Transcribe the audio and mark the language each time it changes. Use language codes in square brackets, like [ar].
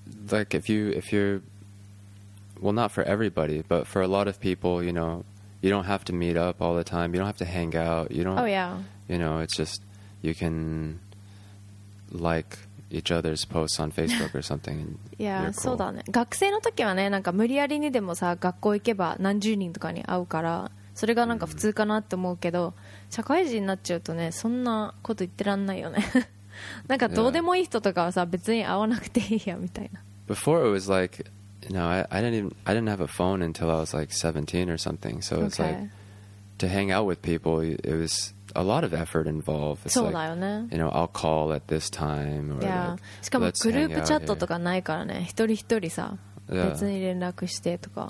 [en] Like if you're, well, not for everybody, but for a lot of people, you know, you don't have to meet up all the time. You don't have to hang out. You don't. Oh, yeah. You know, it's just you can like each other's posts on Facebook or something. Yeah, cool. [ja] そうだね。学生の時はね、なんか無理やりにでもさ、学校行けば何十人とかに会うから、それがなんか普通かなって思うけど、社会人になっちゃうとね、そんなこと言ってらんないよね。なんかどうでもいい人とかはさ、別に会わなくていいやみたいな。 [en] Before it was like, you know, I didn't have a phone until I was like 17 or something. So it's like to hang out with people, it was a lot of effort involved. It's like, you know, I'll call at this time. Or yeah. Like, [ja] しかもグループチャットとかないからね。一人一人さ、別に連絡してとか。